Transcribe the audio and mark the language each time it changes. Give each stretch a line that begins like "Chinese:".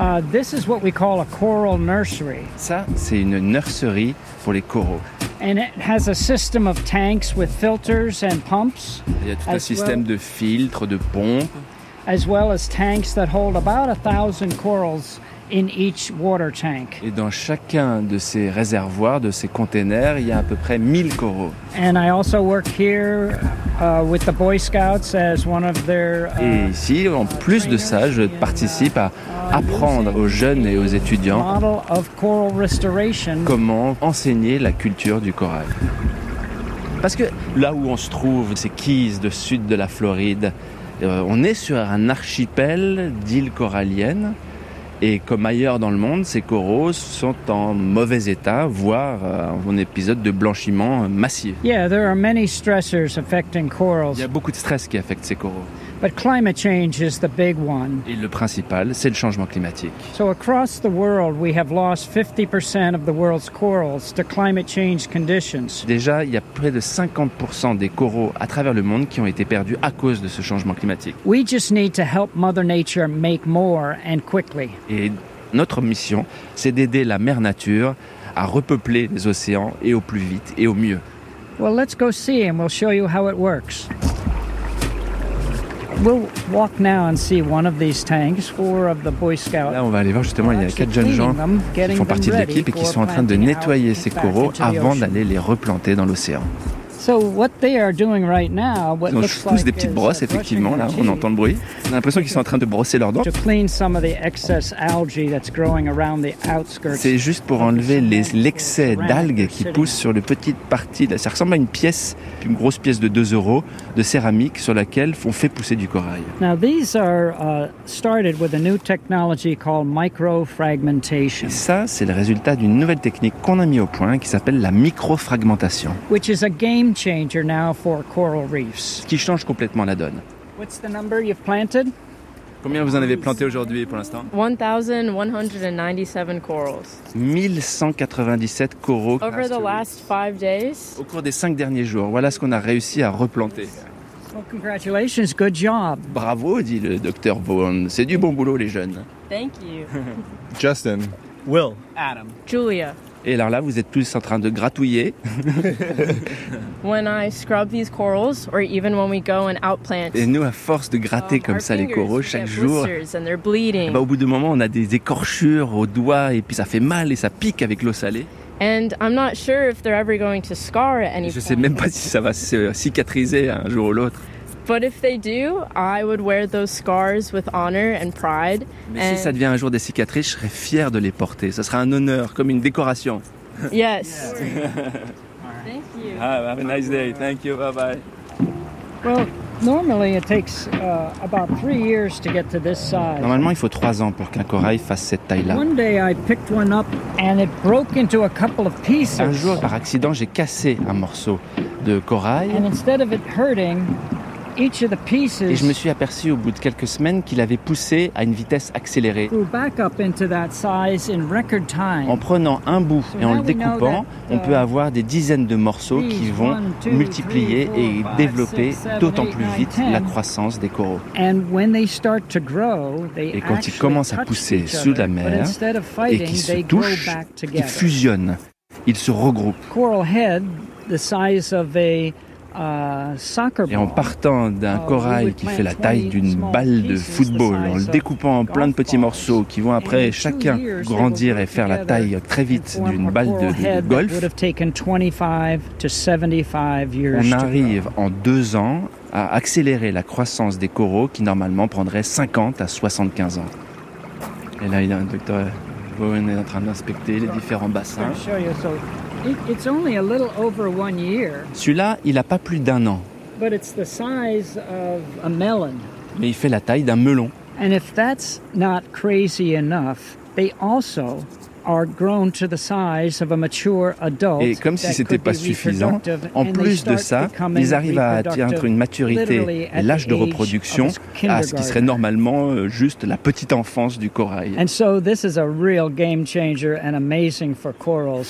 English: This is what we call a coral nursery.
French: Ça, c'est une nursery pour les coraux.
English: And it has a system of tanks with filters and pumps.
French: Il y a tout un système de filtres, de pompes.
English: As well as tanks that hold about 1,000 corals in each water tank.
French: Et dans chacun de ces réservoirs, de ces containers, il y a à peu près 1,000 coraux.
English: And I also work here with the Boy Scouts as one of their
French: Et ici, en plus de ça, je participe à apprendre aux jeunes et aux étudiants
English: model of coral restoration.
French: Comment enseigner la culture du corail. Parce que là où on se trouve, ces Keys de sud de la Floride, on est sur un archipel d'îles coralliennes. Et comme ailleurs dans le monde, ces coraux sont en mauvais état, voire en épisode de blanchiment massif.
English: Yeah, there are many stressors affecting corals.
French: Il y a beaucoup de stress qui affecte ces coraux.
English: But climate change is the big one.
French: Et le principal, c'est le changement climatique.
English: So across the world, we have lost 50% of the world's corals to climate change conditions.
French: Déjà, il y a près de 50% des coraux à travers le monde qui ont été perdus à cause de ce changement climatique.
English: We just need to help Mother Nature make more and quickly.
French: Et notre mission, c'est d'aider la mère nature à repeupler les océans et au plus vite et au mieux.
English: Well, let's go see and we'll show you how it works. We'll walk now and see one of these tanks, four of the Boy Scouts.
French: Là, on va aller voir justement, il y a quatre jeunes gens qui font partie de l'équipe et qui sont en train de nettoyer ces coraux avant d'aller les replanter dans l'océan.
English: So what they are doing right now, what
French: Donc, je pousse des petites brosses, effectivement, là, on entend le bruit. On a l'impression qu'ils sont en train de brosser leurs dents.
English: To clean some of the excess algae that's growing around the outskirts.
French: C'est juste pour enlever l'excès d'algues qui poussent sur les petites parties. Ça ressemble à une pièce, une grosse pièce de 2 euros de céramique sur laquelle on fait pousser du corail.
English: Now these are started with a new technology called microfragmentation.
French: Et ça, c'est le résultat d'une nouvelle technique qu'on a mis au point qui s'appelle la microfragmentation.
English: Which is a game changer now for coral reefs.
French: Ce qui change complètement la donne.
English: What's the number you've planted?
French: Combien vous en avez planté aujourd'hui pour l'instant?
English: 1197 corals.
French: 1197 coraux.
English: Over the last 5 days.
French: Au cours des 5 derniers jours, voilà ce qu'on a réussi à replanter.
English: Well, congratulations, good job.
French: Bravo, dit le docteur Vaughan. C'est du bon boulot les jeunes.
English: Thank you. Justin, Will, Adam, Julia.
French: Et alors là, vous êtes tous en train de gratouiller.
English: When I scrub these corals, or even when we go and outplant.
French: Et nous, à force de gratter comme ça les coraux chaque jour, au bout d'un moment, on a des écorchures aux doigts et puis ça fait mal et ça pique avec l'eau salée.
English: And I'm not sure if they're ever going to scar at any point.
French: Je sais même pas si ça va se cicatriser un jour ou l'autre.
English: But if they do, I would wear those scars with honor and pride.
French: Mais
English: and
French: si ça devient un jour des cicatrices, je serais fier de les porter. Ça sera un honneur, comme une décoration.
English: Yes. Thank you. Have a nice day. Thank you. Bye bye. Well, normally it takes about 3 years to get to this size.
French: Normalement, il faut 3 ans pour qu'un corail fasse cette taille-là.
English: One day I picked one up and it broke into a couple of pieces.
French: Un jour, par accident, j'ai cassé un morceau de corail.
English: And instead of it hurting. Each of the pieces
French: et je me suis aperçu au bout de quelques semaines qu'il avait poussé à une vitesse accélérée
English: grew back up into that size in record time.
French: En prenant un bout et en le découpant, on peut avoir des dizaines de morceaux qui vont multiplier et développer d'autant plus vite la croissance des coraux.
English: And when they start to grow, they
French: et quand ils commencent à pousser sous la mer
English: fighting,
French: et qu'ils se touchent, ils fusionnent, ils se regroupent.
English: Coral head, the size of a soccer ball.
French: Et en partant d'un corail qui fait la taille d'une balle de football, en le découpant en plein de petits morceaux qui vont après chacun grandir et faire la taille très vite d'une balle de golf, on arrive en 2 ans à accélérer la croissance des coraux qui normalement prendraient 50 à 75 ans. Et là, il y a un docteur Vaughan est en train d'inspecter les différents bassins.
English: It's only a little over 1 year.
French: Celui-là, il a pas plus d'un an.
English: But it's the size of a melon.
French: Mais il fait la taille d'un melon.
English: And if that's not crazy enough, they also are grown to the size of a mature adult.
French: Et comme si ce n'était pas suffisant, en plus de ça, ils arrivent à atteindre une maturité et l'âge de reproduction à ce qui serait normalement juste la petite enfance du corail.
English: And so this is a real game changer and amazing for corals.